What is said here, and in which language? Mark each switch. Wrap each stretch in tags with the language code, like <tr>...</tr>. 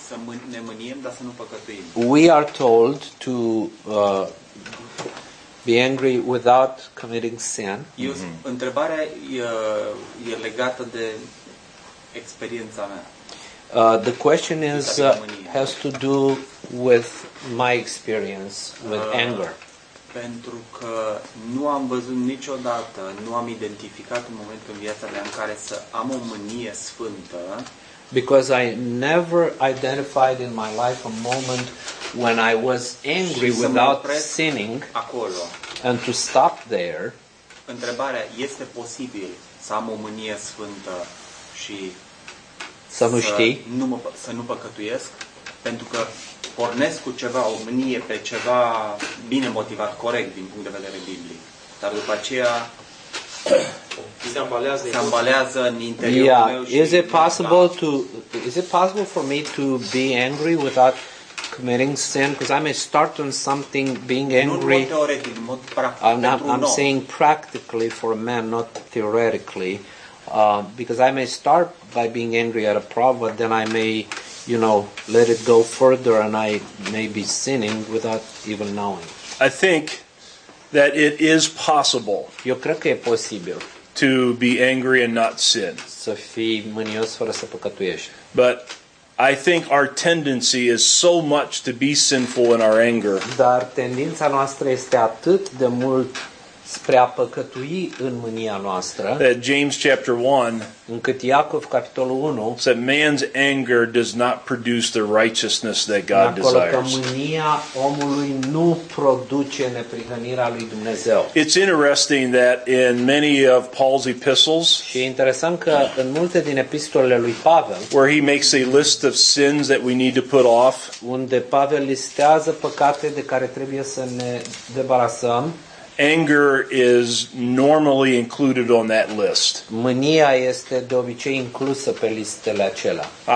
<ro>Să ne mâniem, dar să nu păcătuim.</ro> <en>We are told to be angry without committing sin.</en> <ro>Întrebarea e legată de experiența mea.</ro> <en>The question is has to do with my experience with anger.</en> <ro>Pentru că nu am văzut niciodată, nu am identificat un moment în viața mea în care să am o mânie sfântă.</ro> <en>Because I never identified in my life a moment when I was angry without sinning</en> <ro>acolo.</ro> <en>And to stop there.</en> <ro>Întrebarea, este posibil să am o mânie sfântă și să nu știi? Să nu păcătuiesc, pentru că pornesc cu ceva, o mânie pe ceva bine motivat, corect din punct de vedere biblic. Dar după aceea se ambalează în interiorul meu.</ro> <en>Is it possible for me to be angry without committing sin? Because I may start on something being angry.</en> <ro>Nu în mod teoretic, în mod practic.</ro> <en>I'm saying practically for a man, not theoretically. Because I may start by being angry at a problem, but then I may, you know, let it go further and I may be sinning without even knowing. I think that it is possible.</en> <ro>Eu cred că e posibil.</ro> <en>To be angry and not sin.</en> <ro>Să fii mânios fără să păcătuiești.</ro> <en>But I think our tendency is so much to be sinful in our anger.</en> <ro>Dar tendința noastră este atât de mult spre a păcătui în mânia noastră.</ro> <en>That James chapter 1,</en> <ro>încât Iacov capitolul 1,</ro> <en>said man's anger does not produce the righteousness that God desires.</en> <ro>Acolo că mânia omului nu produce neprihănirea lui Dumnezeu.</ro> <en>It's interesting that in many of Paul's epistles,</en> <ro>și e interesant că în multe din epistolele lui Pavel,</ro> <en>where he makes a list of sins that we need to put off,</en> <ro>unde Pavel listează păcate de care trebuie să ne debarasăm,</ro> <en>anger is normally included on that list.</en> <ro>Mânia este de obicei inclusă pe listele acelea.</ro>